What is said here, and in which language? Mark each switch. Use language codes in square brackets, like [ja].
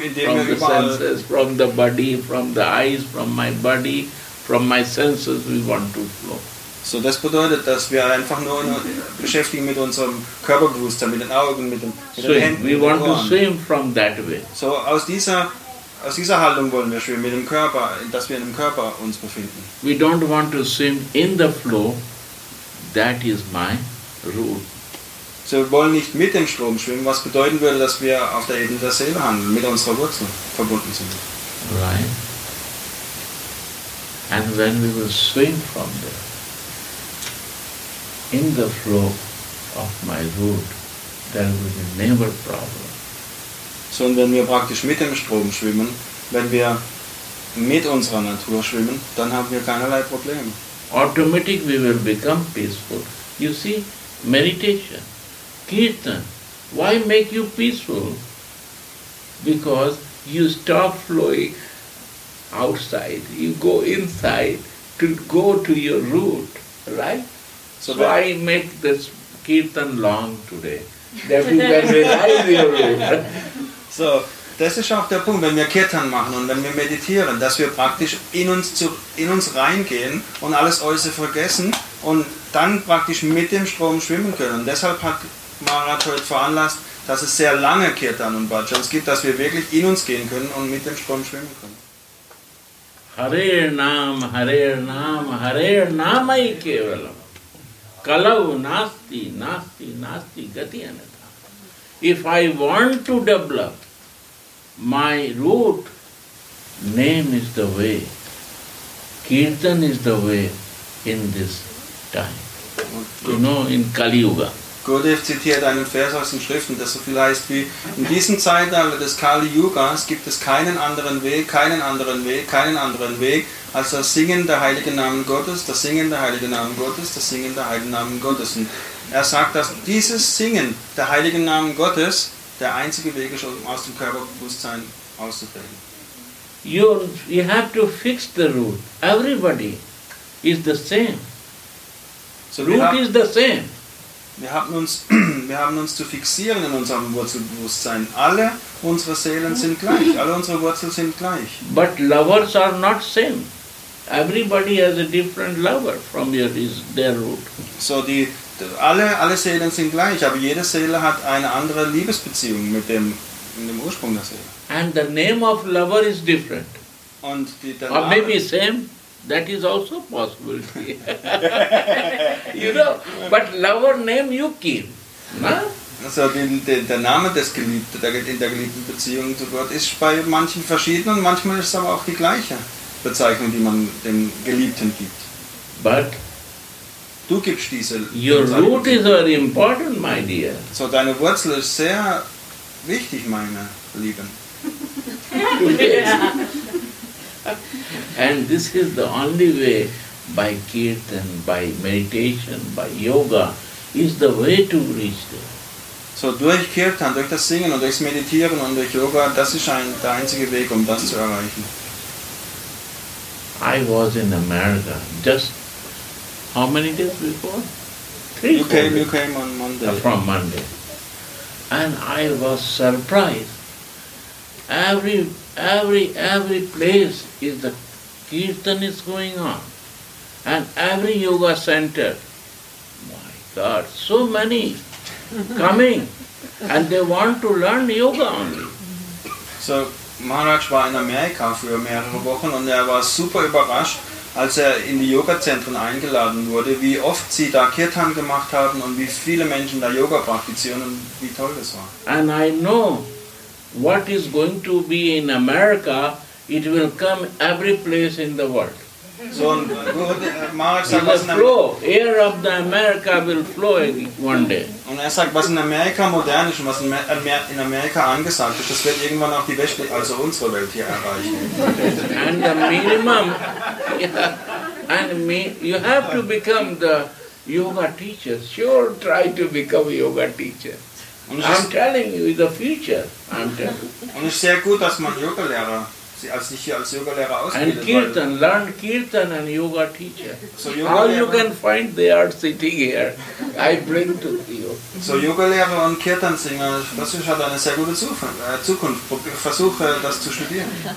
[en] from the senses, from the body, from the eyes, from my body. From my senses we want to flow. [de] So das bedeutet, dass wir einfach nur beschäftigen mit unserem Körperbewusstsein, mit den Augen, mit den Händen. [en] We want to swim from that way. [de] So aus dieser Haltung wollen wir schwimmen, mit dem Körper, dass wir im Körper uns befinden. [en] We don't want to swim in the flow. That is my rule. [de] So wir wollen nicht mit dem Strom schwimmen, was bedeuten würde, dass wir auf der Ebene der Seele handeln, mit unserer Wurzel verbunden sind. [en] Right. And when we will swim from there, in the flow of my root, there will be never problem. [de] So, und wenn wir praktisch mit dem Strom schwimmen, wenn wir mit unserer Natur schwimmen, dann haben wir keinerlei Probleme. [en] Automatic we will become peaceful. You see, meditation, kirtan, why make you peaceful? Because you stop flowing outside, you go inside to go to your root, right? So I make this kirtan long today. That is when we realize your root. [de] So das ist auch der Punkt, wenn wir Kirtan machen und wenn wir meditieren, dass wir praktisch in uns reingehen und alles Äußere vergessen und dann praktisch mit dem Strom schwimmen können. Und deshalb hat Maharaj heute veranlasst, dass es sehr lange Kirtan und Bhajans gibt, dass wir wirklich in uns gehen können und mit dem Strom schwimmen können. [sa] Hare Nam, Hare Nam, Hare Namai Kevalam. Kalau Nasti, Nasti, Nasti, Gati Anata. [en] If I want to develop my root, name is the way. Kirtan is the way in this time. You know, in Kali Yuga. [de] Gurudev zitiert einen Vers aus den Schriften, der so viel heißt wie: In diesem Zeitalter des Kali-Yugas gibt es keinen anderen Weg, keinen anderen Weg, keinen anderen Weg, als das Singen der heiligen Namen Gottes, das Singen der heiligen Namen Gottes, das Singen der heiligen Namen Gottes. Und er sagt, dass dieses Singen der heiligen Namen Gottes der einzige Weg ist, um aus dem Körperbewusstsein auszubrechen. [en] You have to fix the root. Everybody is the same. So root is the same. [de] Wir haben uns zu fixieren in unserem Wurzelbewusstsein. Alle unsere Seelen sind gleich. Alle unsere Wurzeln sind gleich. [en] But lovers are not same. Everybody has a different lover from their root. So alle Seelen sind gleich, aber jede Seele hat eine andere Liebesbeziehung mit dem Ursprung der Seele. And the name of lover is different. [de] Und [en] or maybe same. That is also a possibility. You know, but lover name you keep. Na? [de] So, der Name des Geliebten, in der geliebten Beziehung zu Gott, ist bei manchen verschieden und manchmal ist es aber auch die gleiche Bezeichnung, die man dem Geliebten gibt. [en] But [de] du gibst diese. [en] Your root is very important, my dear. [de] So, deine Wurzel ist sehr wichtig, meine Lieben. [en] And this is the only way, by kirtan, by meditation, by yoga, is the way to reach there. [de] So durch Kirtan, durch das Singen und durchs Meditieren und durch Yoga, das ist der einzige Weg, um das zu erreichen. [en] I was in America just how many days before? You came on Monday. From Monday. And I was surprised. Every place is the kirtan is going on, and every yoga center, my God, so many coming, and they want to learn yoga only. [de] So Maharaj war in Amerika für mehrere Wochen und er war super überrascht, als er in die Yoga-Zentren eingeladen wurde, wie oft sie da Kirtan gemacht haben und wie viele Menschen da Yoga praktizieren und wie toll das war. [en] And I know what is going to be in America, it will come every place in the world. [de] So, Maharaj sagt, [en] air of the America will flow one day. [de] Und er sagt, was in Amerika modern ist und was in Amerika angesagt ist, das wird irgendwann auch die Westwelt, also unsere Welt hier erreichen. [en] And the minimum, yeah, and you have to become the yoga teacher. Sure, try to become a yoga teacher. I'm telling you, it's the future. [de] Und es ist sehr gut, dass man Yoga-Lehrer, sich hier als Yoga-Lehrer ausbildet. [en] And Kirtan, learn Kirtan and Yoga teacher. So how you can find they are sitting here? I bring to you. [de] So Yoga-Lehrer und Kirtan-Singer, das hat eine sehr gute Zukunft. Versuche das zu studieren.